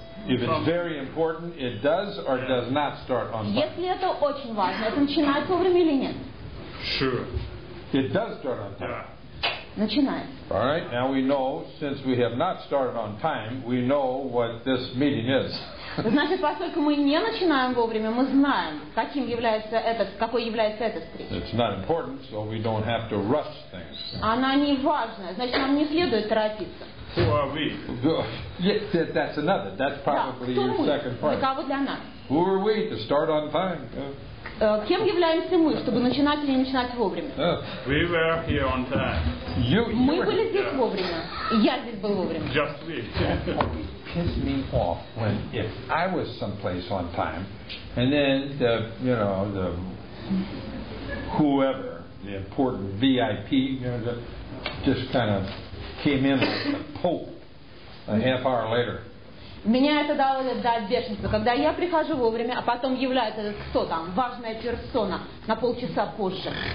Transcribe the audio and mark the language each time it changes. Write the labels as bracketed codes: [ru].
[en] If it's very important, it does or does not start on time. [ru] Если это очень важно, это начинается вовремя или нет? [en] Sure. It does start on time. [ru] Начинает. [en] All right. Now we know, since we have not started on time, we know what this meeting is. [ru] Значит, поскольку мы не начинаем вовремя, мы знаем, каким является этот, какой является эта встреча. [en] It's not important, so we don't have to rush things. [ru] Она не важная, значит, нам не следует торопиться. [en] Who are we? Yeah, that's another. That's probably your second part. Who are we to start on time? [ru] Кем являемся мы, чтобы начинать или не начинать вовремя? [en] We were here on time. [ru] Мы были здесь вовремя. Я здесь был вовремя. [en] Just we. Piss me off when if I was someplace on time, and then the you know the whoever the important VIP you know, just kind of came in like a pope a half hour later. [ru] Меня это давало до бешенства, когда я прихожу вовремя, а потом является этот кто там, важная персона, на полчаса позже.